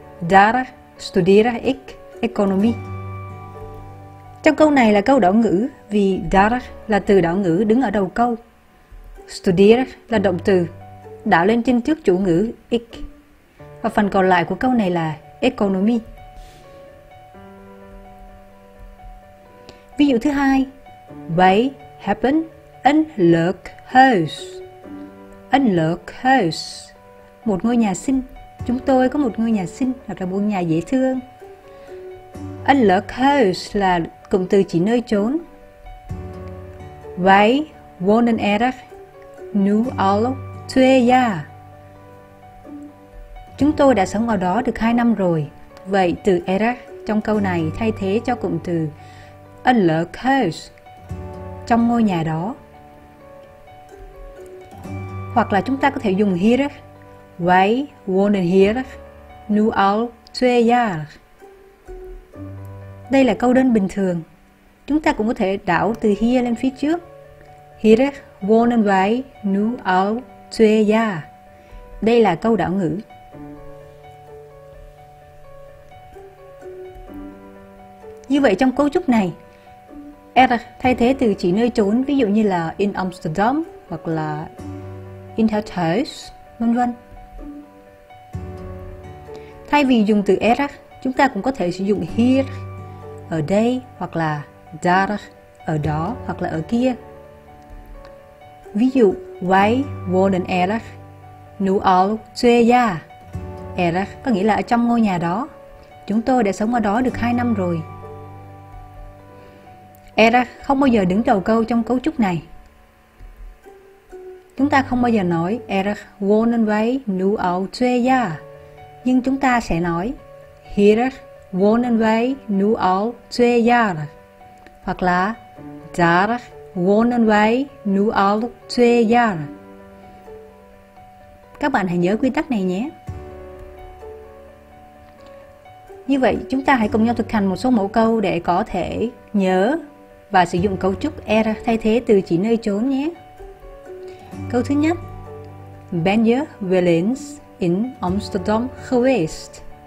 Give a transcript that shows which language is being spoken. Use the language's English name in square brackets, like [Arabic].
[Dutch] Daar studeer ik economie. [Vietnamese] Trong câu này là câu đảo ngữ vì daar là từ đảo ngữ đứng ở đầu câu. Studeer là động từ đảo lên trên trước chủ ngữ ik. Và phần còn lại của câu này là economie. Ví dụ thứ hai. [Dutch] Wij hebben een leuk huis. Een leuk huis. [Vietnamese] Một ngôi nhà xinh. Chúng tôi có một ngôi nhà xinh hoặc là một nhà dễ thương. Een leuk huis là cụm từ chỉ nơi chốn. [Dutch] Wij wonen er nu al twee jaar. [Vietnamese] Chúng tôi đã sống ở đó được 2 năm rồi. Vậy từ er trong câu này thay thế cho cụm từ een leuk huis, trong ngôi nhà đó. Hoặc là chúng ta có thể dùng hier. [Dutch] Wij wonen hier nu al twee jaar. [Vietnamese] Đây là câu đơn bình thường. Chúng ta cũng có thể đảo từ hier lên phía trước. [Dutch] Hier wonen wij nu al twee jaar. [Vietnamese] Đây là câu đảo ngữ. Như vậy trong cấu trúc này, er thay thế từ chỉ nơi chốn, ví dụ như là in Amsterdam hoặc là in het huis, vân vân. Thay vì dùng từ er, chúng ta cũng có thể sử dụng hier, ở đây, hoặc là daar, ở đó, hoặc là ở kia. Ví dụ, [Dutch] wij wonen er nu al twee jaar. [Vietnamese] Er có nghĩa là ở trong ngôi nhà đó. Chúng tôi đã sống ở đó được 2 năm rồi. Er không bao giờ đứng đầu câu trong cấu trúc này. Chúng ta không bao giờ nói [Dutch] er wonen wij nu al twee jaar. [Vietnamese] Nhưng chúng ta sẽ nói [Dutch] hier wonen wij nu al twee jaar. [Vietnamese] Hoặc là [Dutch] daar wonen wij nu al twee jaar. [Vietnamese] Các bạn hãy nhớ quy tắc này nhé. Như vậy, chúng ta hãy cùng nhau thực hành một số mẫu câu để có thể nhớ và sử dụng cấu trúc er thay thế từ chỉ nơi chốn nhé. Câu thứ nhất. [Dutch] Ben je wel eens in Amsterdam geweest?